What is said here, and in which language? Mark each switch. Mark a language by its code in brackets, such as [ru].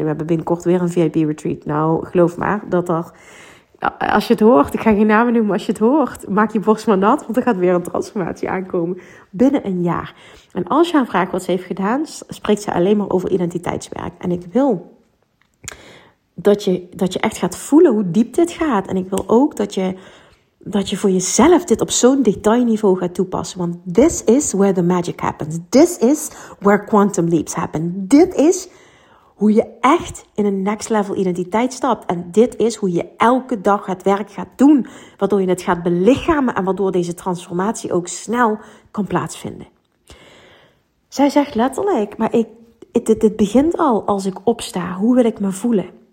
[nl] We hebben binnenkort weer een VIP retreat. Nou, geloof maar dat er, als je het hoort, ik ga geen namen noemen, maar als je het hoort, maak je borst maar nat, want er gaat weer een transformatie aankomen binnen een jaar. En als je haar vraagt wat ze heeft gedaan, spreekt ze alleen maar over identiteitswerk. En ik wil dat je echt gaat voelen hoe diep dit gaat. En ik wil ook dat je voor jezelf dit op zo'n detailniveau gaat toepassen. [en] Want this is where the magic happens. This is where quantum leaps happen. [nl] Dit is hoe je echt in een next level identiteit stapt. En dit is hoe je elke dag het werk gaat doen. Waardoor je het gaat belichamen. En waardoor deze transformatie ook snel kan plaatsvinden. Zij zegt letterlijk, maar dit begint al als ik opsta. Hoe wil ik me voelen?